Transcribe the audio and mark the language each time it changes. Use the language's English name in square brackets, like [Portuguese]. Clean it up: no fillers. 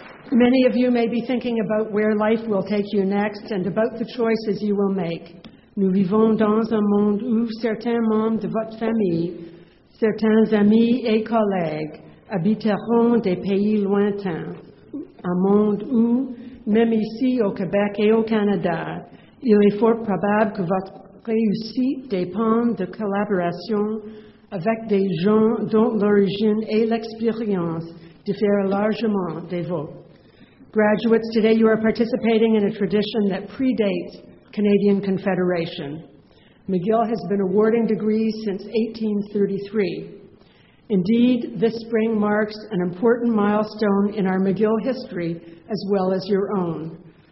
[English] Many of you may be thinking about where life will take you next and about the choices you will make. [French] Nous vivons dans un monde où certains membres de votre famille, certains amis et collègues habiteront des pays lointains, un monde où, même ici au Québec et au Canada, il est fort probable que votre réussite dépende de collaboration avec des gens dont l'origine et l'expérience diffèrent largement des vôtres. [English] Graduates, today you are participating in a tradition that predates Canadian Confederation. McGill has been awarding degrees since 1833. Indeed, this spring marks an important milestone in our McGill history as well as your own.